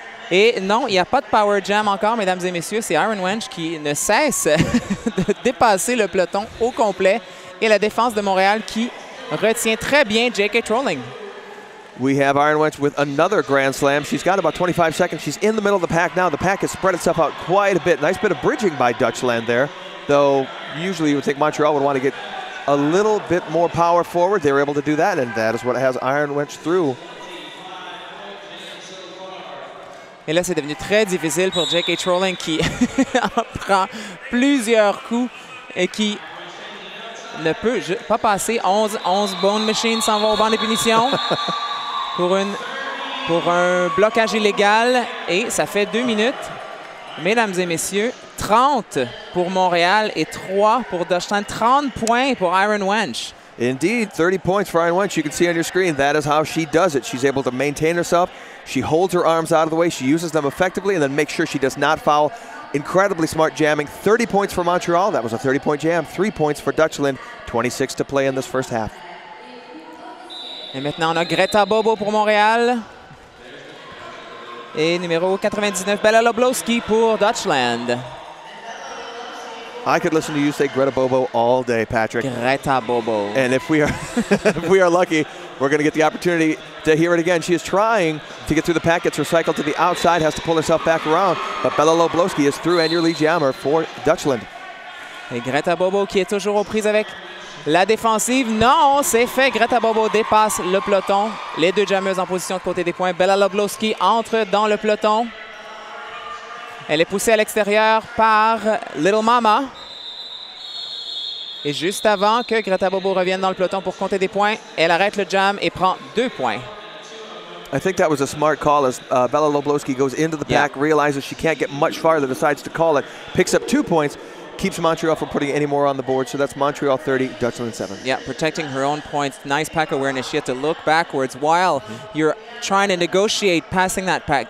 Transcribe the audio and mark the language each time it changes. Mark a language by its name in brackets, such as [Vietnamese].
[French] Et non, il n'y a pas de power jam encore, mesdames et messieurs. C'est Iron Wench qui ne cesse de dépasser le peloton au complet. Et la défense de Montréal qui retient très bien J.K. Trolling. [English] We have Iron Wench with another grand slam. She's got about 25 seconds. She's in the middle of the pack now. The pack has spread itself out quite a bit. Nice bit of bridging by Dutchland there. Though, usually you would think Montreal would want to get a little bit more power forward. They were able to do that, and that is what has Iron Wench through. [French] Et là, c'est devenu très difficile pour J.K. Trolling qui prend plusieurs coups et qui ne peut pas passer. 11 Bone Machines s'en vont au banc des punitions pour un blocage illégal. Et ça fait 2 minutes. Mesdames et messieurs, 30 pour Montréal et 3 pour Dutchland. 30 points pour Iron Wench. [English] Indeed, 30 points for Iron Wench. You can see on your screen, that is how she does it. She's able to maintain herself. She holds her arms out of the way. She uses them effectively and then makes sure she does not foul. Incredibly smart jamming. 30 points for Montreal. That was a 30-point jam. 3 points for Dutchland. 26 to play in this first half. [French] Et maintenant, on a Greta Bobo pour Montréal. Et numéro 99, Bella Loblowski pour Dutchland. [English] I could listen to you say Greta Bobo all day, Patrick. Greta Bobo. And if we are lucky, we're going to get the opportunity to hear it again. She is trying to get through the pack. Gets recycled to the outside. Has to pull herself back around. But Bella Loblowski is through and your lead jammer for Dutchland. [French] Et Greta Bobo qui est toujours aux prises avec la défensive. Non, c'est fait. Greta Bobo dépasse le peloton. Les deux jammeuses en position de côté des points. Bella Loblowski entre dans le peloton. Elle est poussée à l'extérieur par Little Mama. Et juste avant que Greta Bobo revienne dans le peloton pour compter des points, elle arrête le jam et prend 2 points. [English] I think that was a smart call as Bella Loblowski goes into the pack, realizes she can't get much farther, decides to call it, picks up 2 points. keeps Montreal from putting any more on the board. So that's Montreal 30, Dutchland 7. Yeah, protecting her own points. Nice pack awareness. She had to look backwards while you're trying to negotiate passing that pack.